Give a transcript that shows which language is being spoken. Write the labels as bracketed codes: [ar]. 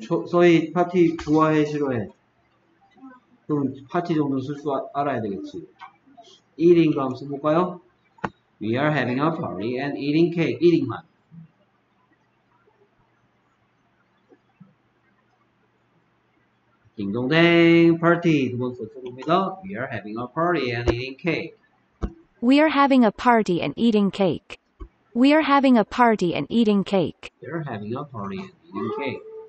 [ko] 서희 파티 좋아해 싫어해? 그럼 파티 정도 쓸 줄 알아야 되겠지. Eating 그럼 써볼까요? [en] We are having a party and eating cake. [ko] Eating만. 딩동댕 파티 두 번 써봅니다. [en] We are having a party and eating cake. We are having a party and eating cake. We are having a party and eating cake. We are having a party and eating cake.